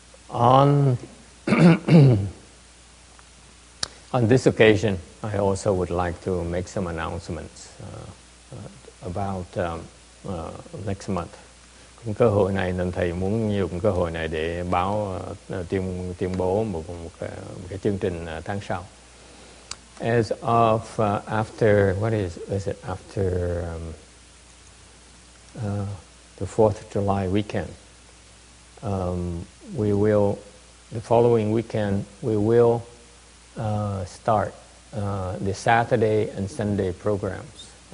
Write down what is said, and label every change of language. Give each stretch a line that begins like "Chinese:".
English: On this occasion, I also would like to make some announcements about next month.
Vietnamese: Cũng cơ hội này nên thầy muốn dùng cơ hội này để báo tuyên bố một cái chương trình tháng sau.
English: As of after what is it after the 4th of July weekend, we will, the following weekend, we will start the Saturday and Sunday programs.